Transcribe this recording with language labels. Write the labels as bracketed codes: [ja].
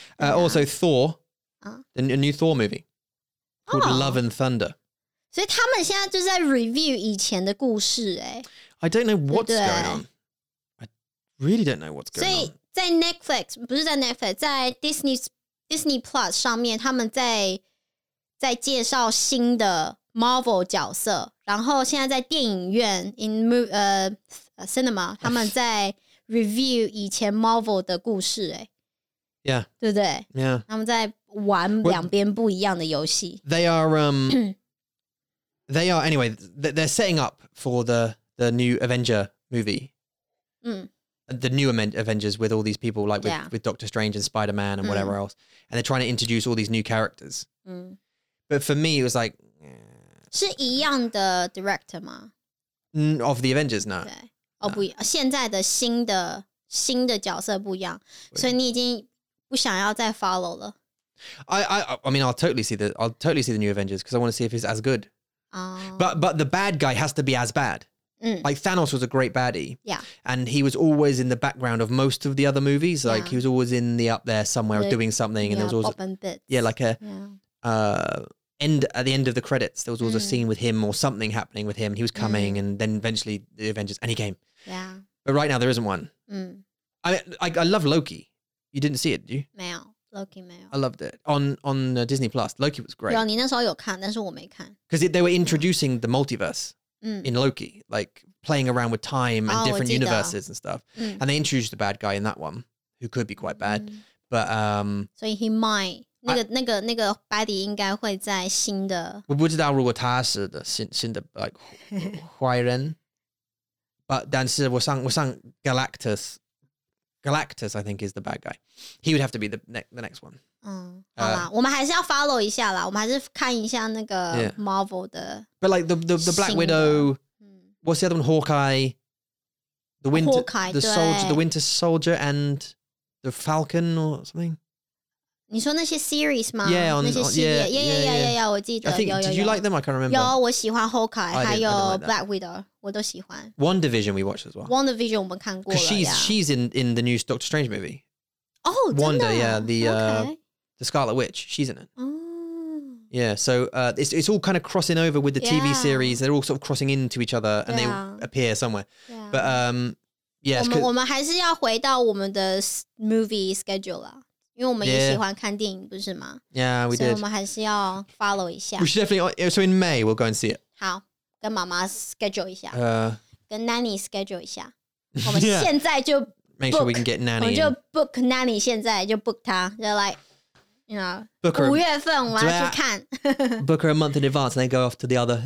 [en] Also, Thor, a new Thor movie called Love and Thunder. [zh] 所以他们现在就在 review 以前的故事，欸。 [en] I don't know what's going on. I really don't know what's going on. [zh] 所以在 Netflix, 不是在 Netflix, 在 Disney Plus 上面，他们在介绍新的Marvel 角色，然后现在在电影院 [en] in cinema [zh] 他们在 review 以前 Marvel 的故事，欸， [en] yeah [zh] 对不对 [en] yeah [zh] 他们在玩两边不一样的游戏 [en] they are they are anyway they're setting up for the new Avenger movie the new Avengers with all these people like with Doctor Strange and Spider-Man and whatever else and they're trying to introduce all these new characters but for me it was like [zh] 是一样的 director 吗？ [en] Of the Avengers, no. [zh] 哦，不，现在的新的角色不一样，所以你已经不想要再 follow 了。 [en] I mean, I'll totally see the new Avengers because I want to see if it's as good. But the bad guy has to be as bad. Like Thanos was a great baddie. Yeah. And he was always in the background of most of the other movies. Like he was always in the up there somewhere doing something. Yeah, and there was always bits. Yeah, like a. At the end of the credits, there was always a scene with him or something happening with him. He was coming and then eventually the Avengers, and he came. Yeah. But right now there isn't one. I love Loki. You didn't see it, did you? [zh] 没有, Loki 没有. [en] I loved it. On Disney Plus, Loki was great. [zh] 有, 你那时候有看,但是我没看。 [en] Because they were introducing the multiverse in Loki, like playing around with time and different universes and stuff. And they introduced the bad guy in that one, who could be quite bad. But, So he might... [zh] 那个 body 应该会在新的。我不知道如果他是的新的 like 坏人，但是我上 Galactus [en] Galactus, I think, is the bad guy. He would have to be the next one. [zh] 好啦，我们还是要 follow 一下啦，我们还是看一下那个 Marvel 的。 [en] But like the Black Widow, what's the other one? Hawkeye, the Winter, Hawkeye, the Soldier, the Winter Soldier, and the Falcon or something. [zh] 你说那些 series 吗？ [en] Yeah, [zh] on, 那些系列， [en] on, yeah, yeah, yeah, yeah, yeah, yeah, yeah, [zh] 我记得。 [en] I think, [zh] 有。 [en] Did you like them? I can't remember. [zh] 有，我喜欢 Hawkeye, 还有 Black Widow, 我都喜欢。 [en] WandaVision we watched as well. [zh] WandaVision 我们看过了。 [en] Because she's in the new Doctor Strange movie. [zh] Oh, Wanda, 真的? [en] Wanda, yeah, the Scarlet Witch, she's in it. Oh. Yeah, so it's all kind of crossing over with the TV series. They're all sort of crossing into each other and they appear somewhere. Yeah. But, yes. [zh] 我们还是要回到我们的 movie schedule 啦。因为我们也喜欢看电影，不是吗？ [en] Yeah, we did. [zh] 所以我们还是要 follow 一下。 [en] We should definitely, so in May, we'll go and see it. [zh] 好，跟妈妈 schedule 一下，跟 nanny schedule 一下。我们现在就 [en] make sure we can get nanny. [zh] 我们就 book nanny 现在就 book 她，就 [en] like, you know, book her [zh] 5月份我要去看。 [en] Book her a month in advance and then go off to the other.